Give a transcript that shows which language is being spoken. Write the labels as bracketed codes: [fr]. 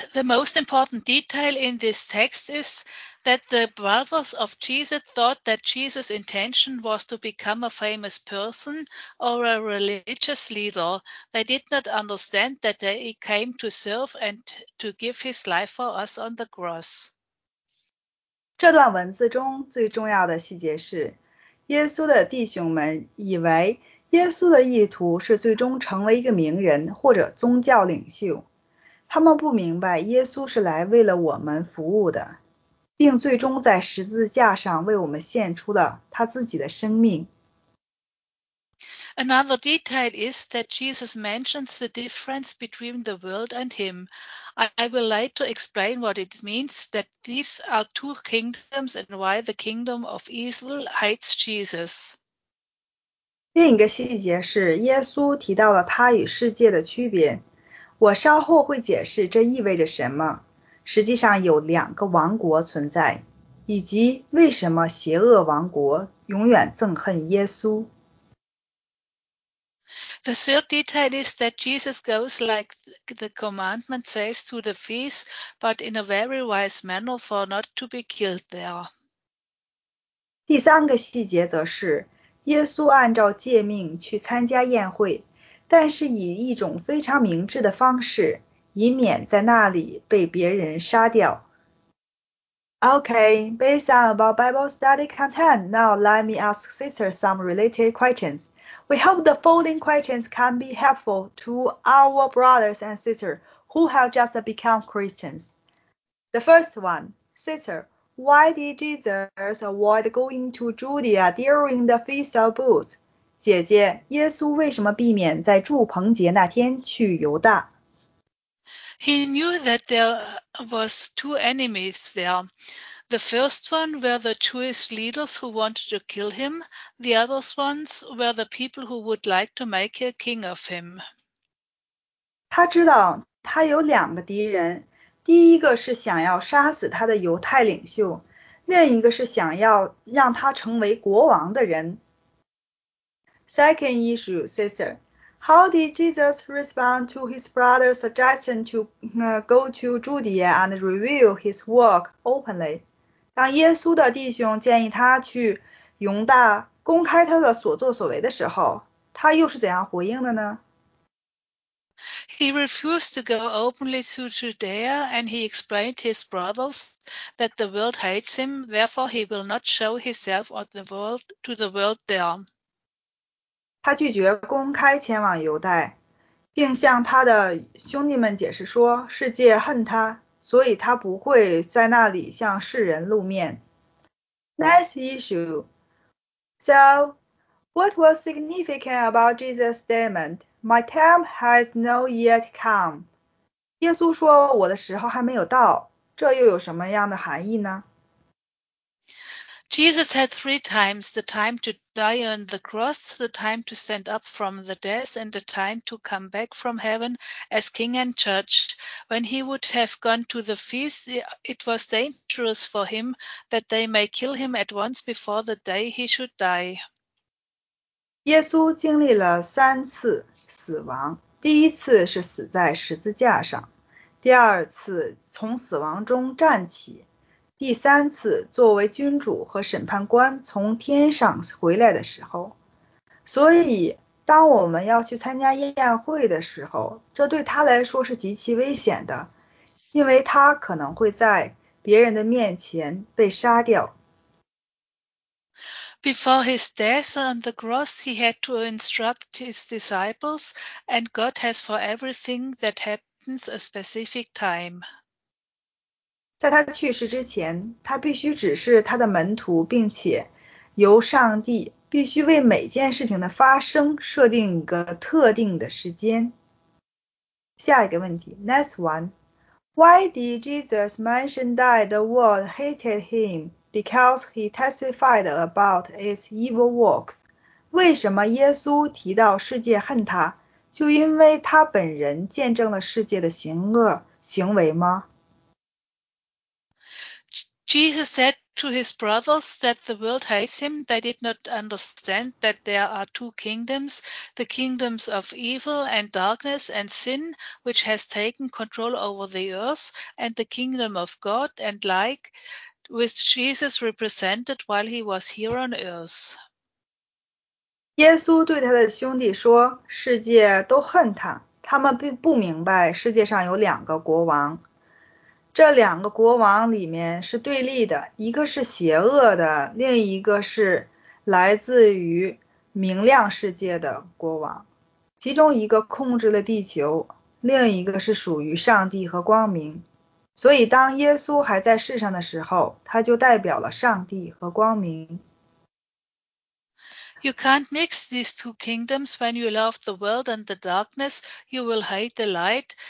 [en] The most important detail in this text is that the brothers of Jesus thought that Jesus' intention was to become a famous person or a religious leader. They did not understand that he came to serve and to give his life for us on the cross. [zh] 这段文字中最重要的细节是，耶稣的弟兄们以为耶稣的意图是最终成为一个名人或者宗教领袖。他们不明白耶稣是来为了我们服务的，并最终在十字架上为我们献出了他自己的生命。 [en] Another detail is that Jesus mentions the difference between the world and him. I will later explain what it means that these are two kingdoms and why the kingdom of evil hates Jesus. [zh] 另一个细节是耶稣提到了他与世界的区别。我稍后会解释这意味着什么。实际上有两个王国存在，以及为什么邪恶王国永远憎恨耶稣。 [en] The third detail is that Jesus goes like the commandment says to the feast, but in a very wise manner for not to be killed there. [zh] 第三个细节则是，耶稣按照诫命去参加宴会，但是以一种非常明智的方式，以免在那里被别人杀掉。 [en] Okay, based on about Bible study content, now let me ask sister some related questions. We hope the following questions can be helpful to our brothers and sisters who have just become Christians. The first one, sister, why did Jesus avoid going to Judea during the Feast of Booths? [zh] 姐姐，耶稣为什么避免在祝棚节那天去犹大？ [en] He knew that there was two enemies there. The first one were the Jewish leaders who wanted to kill him. The other ones were the people who would like to make a king of him. [zh] 他知道他有两个敌人，第一个是想要杀死他的犹太领袖，另一个是想要让他成为国王的人。 [en] Second issue, sister. How did Jesus respond to his brother's suggestion to go to Judea and reveal his work openly? [zh] 当耶稣的弟兄建议他去犹大公开他的所作所为的时候，他又是怎样回应的呢？ [en] He refused to go openly to Judea and he explained to his brothers that the world hates him, therefore he will not show himself to the world there. [zh] 他拒绝公开前往犹太，并向他的兄弟们解释说，世界恨他，所以他不会在那里向世人露面。 [en] Next issue. So, what was significant about Jesus' statement, "My time has not yet come"? [zh] 耶稣说，我的时候还没有到，这又有什么样的含义呢？ [en] Jesus had three times: the time to die on the cross, the time to stand up from the dead, and the time to come back from heaven as king and church. When he would have gone to the feast, it was dangerous for him that they may kill him at once before the day he should die. [zh] 耶稣经历了三次死亡，第一次是死在十字架上，第二次从死亡中站起，第三次作为君主和审判官从天上回来的时候。所以当我们要去参加宴会的时候，这对他来说是极其危险的，因为他可能会在别人的面前被杀掉。 [en] Before his death on the cross, he had to instruct his disciples, and God has for everything that happens a specific time. [zh] 在他去世之前，他必须指示他的门徒，并且由上帝必须为每件事情的发生设定一个特定的时间。下一个问题 ， [en] Next one. Why did Jesus mention that the world hated him? Because he testified about its evil works. [zh] 为什么耶稣提到世界恨他？就因为他本人见证了世界的行恶行为吗？ [en] Jesus said to his brothers that the world hates him. They did not understand that there are two kingdoms, the kingdoms of evil and darkness and sin, which has taken control over the earth, and the kingdom of God and light, which Jesus represented while he was here on earth. [zh] 耶稣对他的兄弟说，世界都恨他，他们并不明白世界上有两个国王。这两个国王里面是对立的，一个是邪恶的，另一个是来自于明亮世界的国王。其中一个控制了地球，另一个是属于上帝和光明。所以当耶稣还在世上的时候，他就代表了上帝和光明。 [en] You can't mix these two kingdoms. When you love the world and the darkness, you will hate the light.